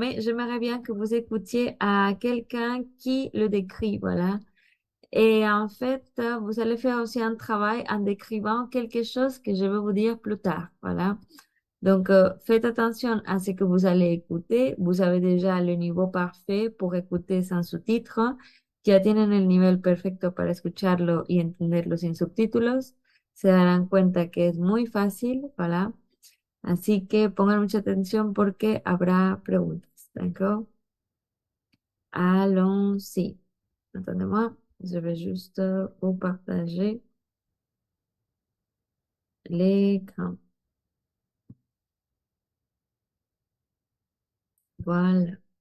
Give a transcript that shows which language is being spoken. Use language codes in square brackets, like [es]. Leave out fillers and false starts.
[fr] Mais j'aimerais bien que vous écoutiez à quelqu'un qui le décrit, voilà. Et en fait, vous allez faire aussi un travail en décrivant quelque chose que je vais vous dire plus tard. Voilà. Donc, faites attention à ce que vous allez écouter. Vous avez déjà le niveau parfait pour écouter sans sous-titres. [es] Ya tienen el nivel perfecto para escucharlo y entenderlo sin subtítulos. Se darán cuenta que es muy fácil. Voilà. Así que pongan mucha atención porque habrá preguntas. [fr] ¿D'accord? Allons-y. Entendez-moi. Je vais juste vous partager l'écran. Voilà.